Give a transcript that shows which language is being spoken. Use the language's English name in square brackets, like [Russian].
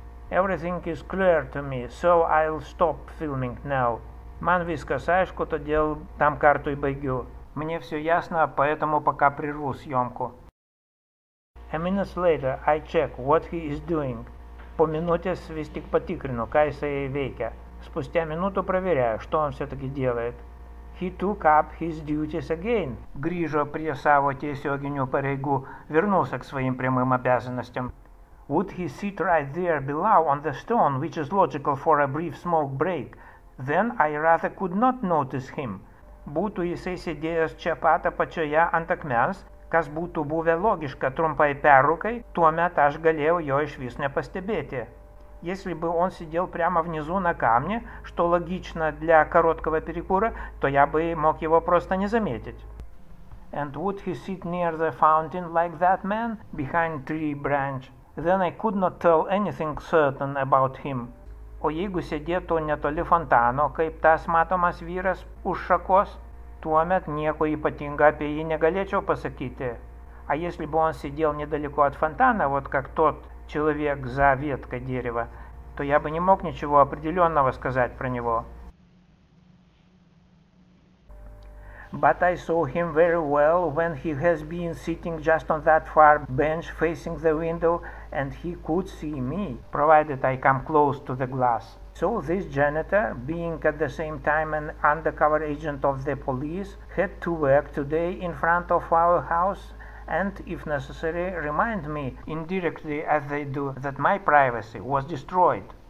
[English] Everything is clear to me, so I'll stop filming now. [Lithuanian] Man viskas aišku, todėl tam kartui baigiu. [Russian] Мне все ясно, поэтому пока прерву съемку. [English] A minute later, I check what he is doing. [Lithuanian] По минутес vis tik patikrinu, ką jisai veikia. [Russian] Спустя минуту проверяю, что он все-таки делает. [English] He took up his duties again. [Lithuanian] Grįžo prie savo tiesioginių pareigų, [Russian] вернулся к своим прямым обязанностям. [English] Would he sit right there below on the stone, which is logical for a brief smoke break? Then I rather could not notice him. [Lithuanian] Būtų jisai sėdėjęs čia pat apačioje ant akmens, kas būtų buvę logiška trumpai perrūkai, tuomet aš galėjau jo iš vis nepastebėti. [Russian] Если бы он сидел прямо внизу на камне, что логично для короткого перекура, то я бы мог его просто не заметить. [English] And would he sit near the fountain like that man, behind tree branch? Then I could not tell anything certain about him. [Lithuanian] O jeigu sėdėtų netoli fontano, kaip tas matomas vyras už šakos, tuomet nieko ypatingo apie jį negalėčiau pasakyti. [Russian] А если бы он сидел недалеко от фонтана, вот как тот человек за веткой дерева, то я бы не мог ничего определенного сказать про него. [English] But I saw him very well when he has been sitting just on that far bench facing the window, and he could see me, provided I come close to the glass. So this janitor, being at the same time an undercover agent of the police, had to work today in front of our house and, if necessary, remind me, indirectly as they do, that my privacy was destroyed.